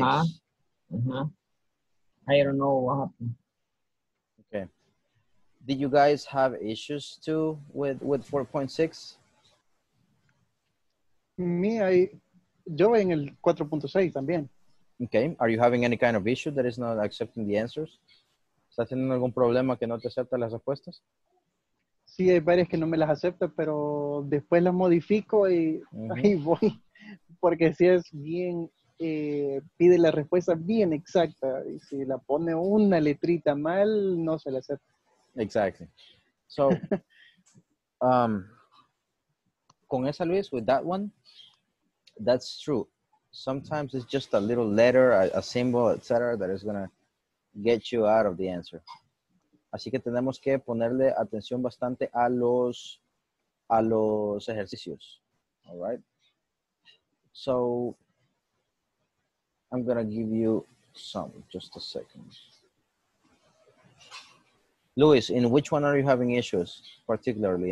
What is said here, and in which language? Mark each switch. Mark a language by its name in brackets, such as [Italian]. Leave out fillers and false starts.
[English] Uh-huh. Uh-huh. I don't know what happened. Okay. Did you guys have issues too with 4.6? [Spanish] Yo en el 4.6 también. [English] Okay. Are you having any kind of issue that is not accepting the answers? [Spanish] ¿Estás teniendo algún problema que no te acepta las respuestas? Sí, hay varias que no me las acepta, pero después las modifico y uh-huh. ahí voy. Porque si es bien, pide la respuesta bien exacta. Y si la pone una letrita mal, no se la acepta. [English] Exactly. So, [Spanish] con esa [English] Luis, with that one, that's true. Sometimes it's just a little letter, a symbol, etc. that is going to get you out of the answer. [Spanish] Así que tenemos que ponerle atención bastante a los ejercicios. [English] All right. So I'm going to give you some, just a second. Luis, in which one are you having issues particularly?